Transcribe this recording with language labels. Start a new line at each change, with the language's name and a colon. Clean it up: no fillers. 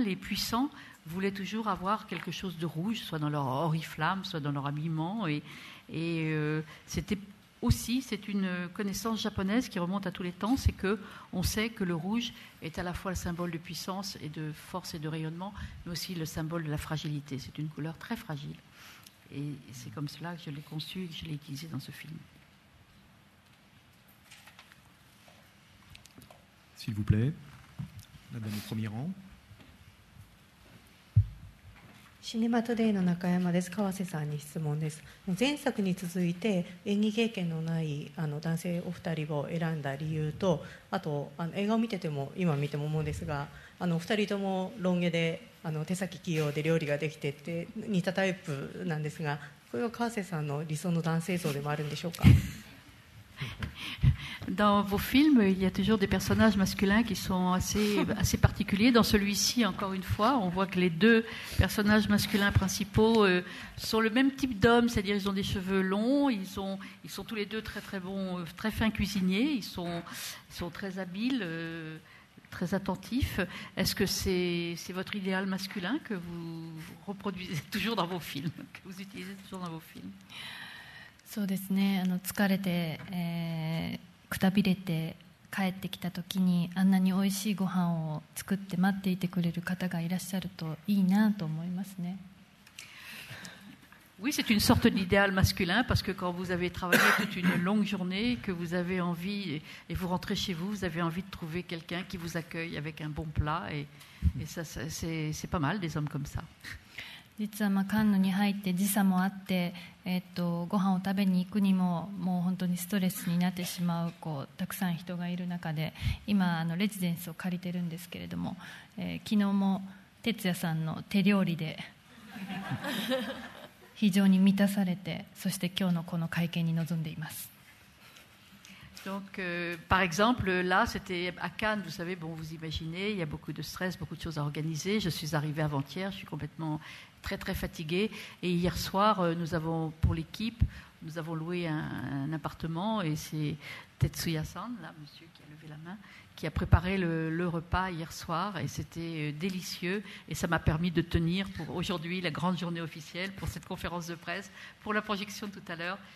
French: Les puissants voulaient toujours avoir quelque chose de rouge, soit dans leur oriflamme, soit dans leur habillement, c'est une connaissance japonaise qui remonte à tous les temps, c'est qu'on sait que le rouge est à la fois le symbole de puissance et de force et de rayonnement, mais aussi le symbole de la fragilité. C'est une couleur très fragile. Et c'est comme cela que je l'ai conçu et que je l'ai utilisé dans ce film. S'il vous plaît, la dame au premier rang.
Japanese: Cinéma Today の中山です。川瀬さんに質問です。前作に続いて演技経験のない男性お二人を選んだ理由と、あと映画を見てても今見ても思うんですが、お二人ともロン毛で手先器用で料理ができてって似たタイプなんですが、これは川瀬さんの理想の男性像でもあるんでしょうか。
French: Dans vos films, il y a toujours des personnages masculins qui sont assez particuliers. Dans celui-ci, encore une fois, on voit que les deux personnages masculins principaux sont le même type d'homme, c'est-à-dire ils ont des cheveux longs, ils sont tous les deux très très bons, très fins cuisiniers, ils sont très habiles. Très attentif. Est-ce que c'est votre idéal masculin que vous reproduisez toujours dans vos films, que vous utilisez toujours dans vos films?
Japanese: そうですね。疲れて、くたびれて帰ってきた時にあんなに美味しいご飯を作って待っていてくれる方がいらっしゃるといいなと思いますね。
French: Oui, c'est une sorte d'idéal masculin, parce que quand vous avez travaillé toute une longue journée, que vous avez envie, et vous rentrez chez vous, vous avez envie de trouver quelqu'un qui vous accueille avec un bon plat, et ça, c'est pas mal, des hommes comme ça.
Japanese: 実はまあカンヌに入って時差もあって、ご飯を食べに行くにももう本当にストレスになってしまう、こうたくさん人がいる中で、今レジデンスを借りてるんですけれども、昨日も哲也さんの手料理で。非常に満たされて、そして今日のこの会見に臨んでいます。
French: Donc, par exemple, là, c'était à Cannes. Vous savez, bon, vous imaginez, il y a beaucoup de stress, beaucoup de choses à organiser. Je suis arrivée avant-hier, je suis complètement très très fatiguée. Et hier soir, nous avons pour l'équipe, nous avons loué un appartement et c'est Tetsuya-san, là, monsieur qui a levé la main, qui a préparé le repas hier soir et c'était délicieux et ça m'a permis de tenir pour aujourd'hui la grande journée officielle pour cette conférence de presse, pour la projection tout à l'heure.